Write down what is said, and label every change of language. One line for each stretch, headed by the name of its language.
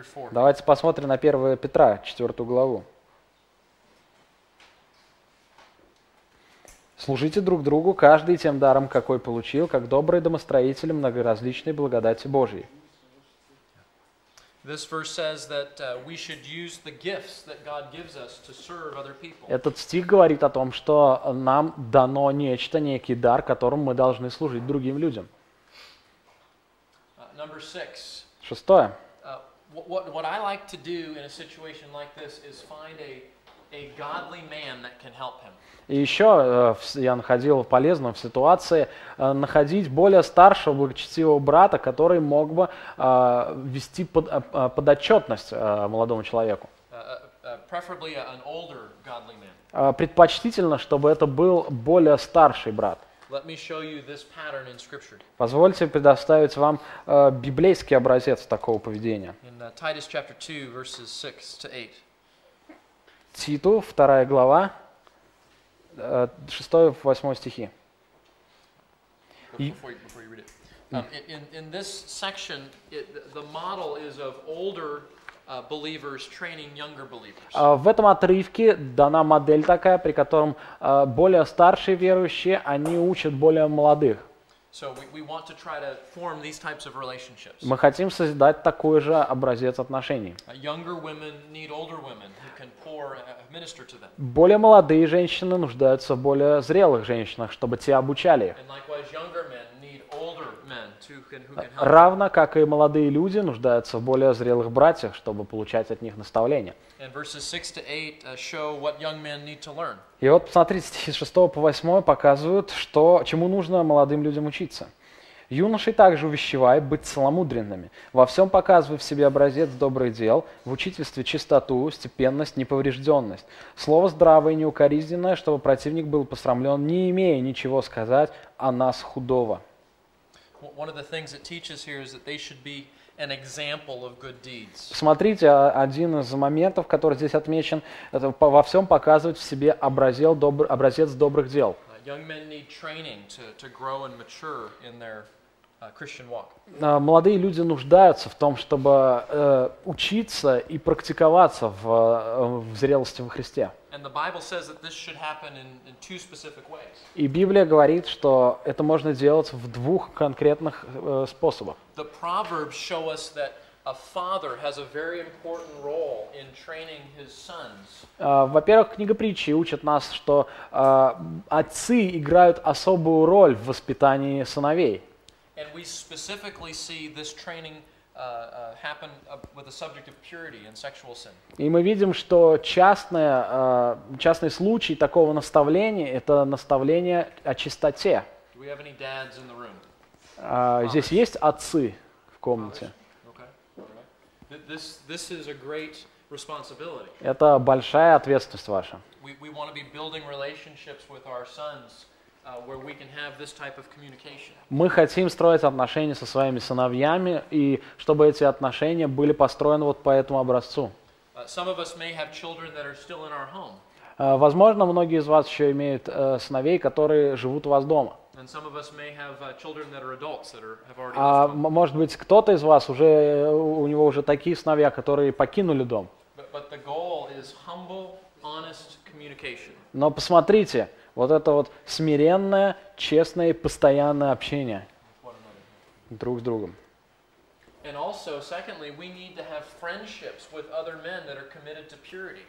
Russian: Давайте посмотрим на 1 Петра, 4 главу. «Служите друг другу, каждый тем даром, какой получил, как добрые домостроители многоразличной благодати Божьей».
English: This verse says that we should use the gifts that God gives us to serve other people.
Russian: Этот стих говорит о том, что нам дано нечто, некий дар, которым мы должны служить другим людям.
English: Number six.
Russian: Шестое.
English: What I like to do in a situation like this is find a godly man that can help him.
Russian: И еще я находил полезным в ситуации находить более старшего благочестивого брата, который мог бы вести подотчетность молодому человеку.
English: Preferably an older godly man.
Russian: Предпочтительно, чтобы это был более старший брат.
English: Let me show you this pattern in scripture.
Russian: Позвольте предоставить вам библейский образец такого поведения.
English: In Titus chapter 2, verses 6 to 8.
Russian: Титу, 2 глава, 6-8 стихи.
English: Before you read it. In this section, the model is of older believers training younger believers.
Russian: В этом отрывке дана модель такая, при котором более старшие верующие, они учат более молодых.
English: So we want to try to form these types of relationships.
Russian: Мы хотим создать такой же образец отношений.
English: Younger women need older women who can pour and minister to them.
Russian: Более молодые женщины нуждаются в более зрелых женщинах, чтобы те обучали их.
English: And likewise, younger men need older men who can help.
Russian: Равно как и молодые люди нуждаются в более зрелых братьях, чтобы получать от них наставления.
English: And verses 6-8 show what young men need to learn.
Russian: И вот посмотрите, стихи с 6 по 8 показывают, что, чему нужно молодым людям учиться. «Юношей также увещевай быть целомудренными, во всем показывай в себе образец добрых дел, в учительстве чистоту, степенность, неповрежденность, слово здравое и неукоризненное, чтобы противник был посрамлен, не имея ничего сказать о нас худого».
English: One of the things it teaches here is that they should be an example of good deeds.
Russian: Смотрите, один из моментов, который здесь отмечен, это во всем показывать в себе образец добрых дел.
English: Young men need training to grow and mature in their Christian walk.
Russian: Молодые люди нуждаются в том, чтобы учиться и практиковаться в зрелости во Христе.
English: And the Bible says that this should happen in two specific ways.
Russian: И Библия говорит, что это можно делать в двух конкретных способах.
English: The Proverbs show us that a father has a very important role in training his sons.
Russian: Во-первых, книга Притчи учит нас, что отцы играют особую роль в воспитании сыновей.
English: And we specifically see this training happen with the subject of purity and sexual sin.
Russian: И мы видим, что частный случай такого наставления это наставление о чистоте.
English: Do we have any dads in the room?
Russian: Здесь есть отцы в комнате?
English: Okay. Right. This is a great responsibility.
Russian: Это большая ответственность ваша.
English: We want to be building relationships with our sons. Where we can have this type of communication.
Russian: Мы хотим строить отношения со своими сыновьями, и чтобы эти отношения были построены вот по этому образцу.
English: Some of us may have children that are still in our home.
Russian: Возможно, многие из вас еще имеют сыновей, которые живут у вас дома.
English: And some of us may have children that are adults that are, have already.
Russian: Может быть, кто-то из вас уже у него уже такие сыновья, которые покинули дом.
English: But the goal is humble, honest communication.
Russian: Но посмотрите. Вот это вот смиренное, честное и постоянное общение друг с другом.
English: And also, secondly, we need to have friendships with other men that are committed to purity.